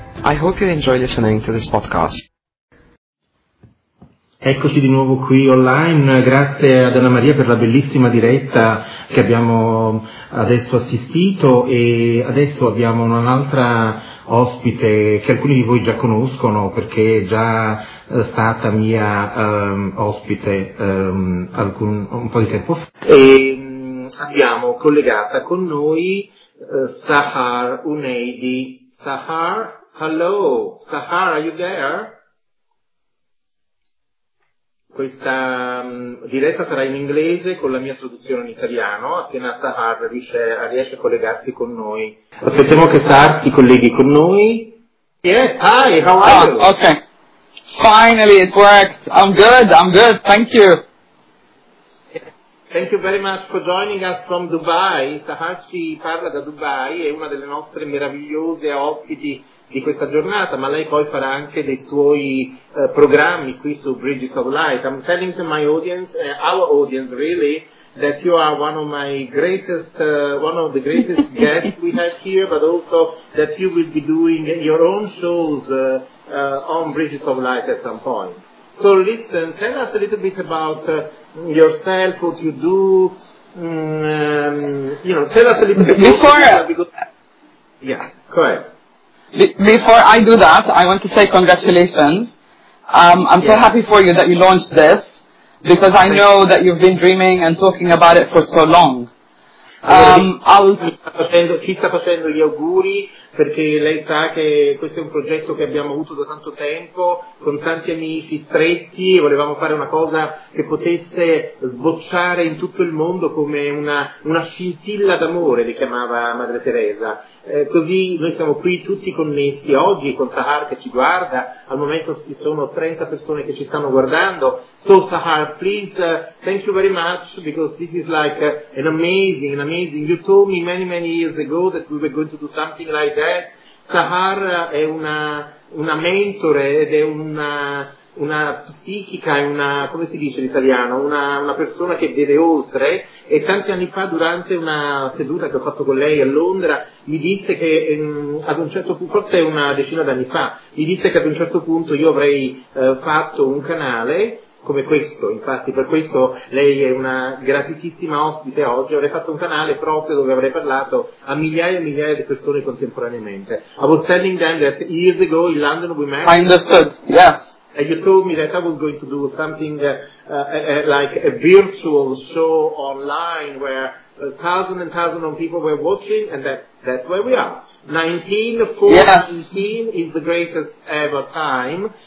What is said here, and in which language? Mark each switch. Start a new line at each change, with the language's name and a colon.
English: I hope you enjoy listening to this podcast.
Italian: Eccoci di nuovo qui online, grazie ad Anna Maria per la bellissima diretta che abbiamo adesso assistito e adesso abbiamo un'altra ospite che alcuni di voi già conoscono perché è già stata mia ospite un po' di tempo fa. E abbiamo collegata con noi Sahar Uneidi.
English: Sahar, hello, Sahar, are you there?
Italian: Questa diretta sarà in inglese con la mia traduzione in italiano, appena Sahar riesce a collegarsi con noi. Aspettiamo che Sahar si colleghi con noi.
English: Yes, hi, how are you? Okay, finally it worked. I'm good, thank you. Thank you very much for joining us from Dubai.
Italian: Sahar ci parla da Dubai, è una delle nostre meravigliose ospiti di questa giornata, ma lei poi farà anche dei suoi programmi qui su Bridges of Light.
English: I'm telling to my audience, our audience really, that you are one of my greatest, one of the greatest guests we have here, but also that you will be doing your own shows on Bridges of Light at some point. So listen, tell us a little bit about yourself, what you do, tell us a little bit Before I do that, I want to say congratulations. I'm so happy for you that you launched this, because I know that you've been dreaming and talking about it for so long.
Italian: Ci sta facendo gli auguri, perché lei sa che questo è un progetto che abbiamo avuto da tanto tempo, con tanti amici stretti, e volevamo fare una cosa che potesse sbocciare in tutto il mondo come una scintilla d'amore, le chiamava Madre Teresa. Così noi siamo qui tutti connessi oggi con Sahar che ci guarda, al momento ci sono 30 persone che ci stanno guardando.
English: So Sahar, please, thank you very much, because this is like an amazing, you told me many years ago that we were going to do something like that.
Italian: Sahar è una mentore ed è una psichica, è una, come si dice in italiano, una persona che vede oltre, e tanti anni fa durante una seduta che ho fatto con lei a Londra mi disse che ad un certo punto, forse è una decina d'anni fa, mi disse che ad un certo punto io avrei fatto un canale come questo, infatti per questo lei è una graditissima ospite oggi, avrei fatto un canale proprio dove avrei parlato a migliaia e migliaia di persone contemporaneamente.
English: I was telling them that years ago in London we met. I understood, yes. And you told me that I was going to do something like a virtual show online where thousands and thousands of people were watching, and that's where we are. 1914 yes. Is the greatest ever time.